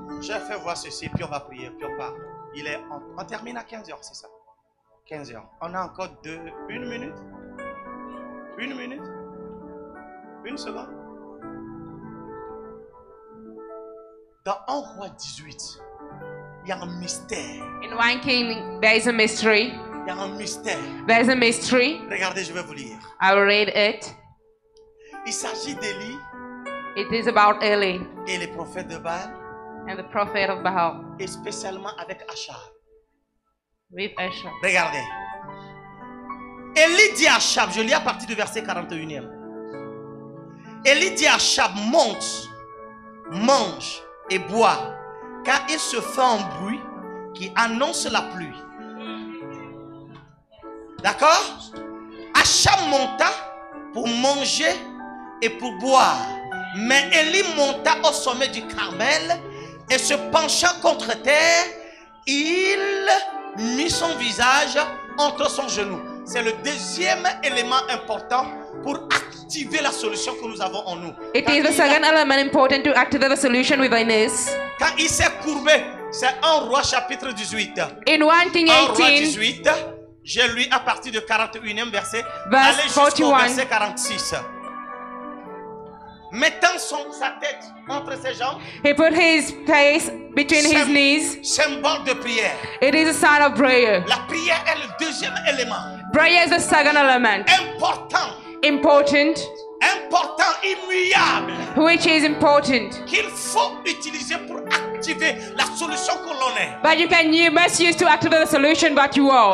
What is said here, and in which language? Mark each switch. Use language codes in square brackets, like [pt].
[fr] Je fais voir ceci, puis on va prier, puis on part. Il est on termine à 15h, c'est ça? 15h. On a encore deux. Une minute? Une minute? Une seconde? Dans 1 Roi 18, il y a un mystère. [en] In 1 King, there is a mystery. [fr] Il y a un mystère. [en] There is a mystery. [fr] Regardez, je vais vous lire. [en] I will read it. [fr] Il s'agit d'Élie. [en] It is about Eli. [fr] Et les prophètes de Baal. [en] And the prophet of Baal. [fr] Et spécialement avec Achab. [en] With Achab. [fr] Regardez. Élie dit à Achab, je lis à partir du verset 41e. Élie dit à Achab, monte, mange et bois, car il se fait un bruit qui annonce la pluie. D'accord? Achab monta pour manger et pour boire. Mais Élie monta au sommet du Carmel et se penchant contre terre, il mit son visage entre son genou. C'est le deuxième élément important pour activer la solution que nous avons en nous. [en] It is the second element important to activate the solution within us. [fr] Quand il s'est courbé, c'est 1 Roi chapitre 18. [en] In 1 King 18. [fr] 1 Roi 18, je lis à partir du 41e verset. Allez jusqu'au verset 46. Mettant sa tête entre ses jambes. [en] He put his face between his knees. [fr] Symbole de prière. [en] It is a sign of prayer. [fr] La prière est le deuxième élément. [en] Prayer is the second element. [fr] Important. [en] Important. [fr] Important, immuable. [en] Which is important. [fr] Qu'il faut utiliser pour activer la solution que l'on est. [en] But you must use to activate the solution that you are.